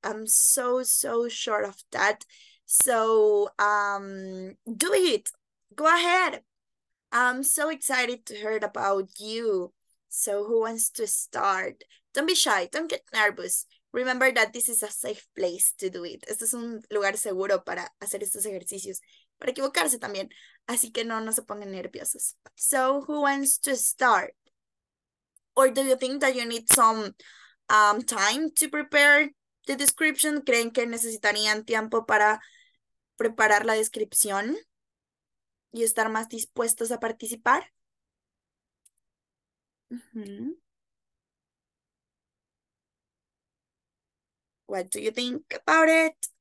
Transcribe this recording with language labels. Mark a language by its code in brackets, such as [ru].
[en] I'm so, so sure of that. So do it. Go ahead. I'm so excited to hear about you. So who wants to start? Don't be shy. Don't get nervous. Remember that this is a safe place to do it. [es] Este es un lugar seguro para hacer estos ejercicios, para equivocarse también. Así que no se pongan nerviosos. [en] So, who wants to start? Or do you think that you need some time to prepare the description? [es] ¿Creen que necesitarían tiempo para preparar la descripción y estar más dispuestos a participar? [en] What do you think about it?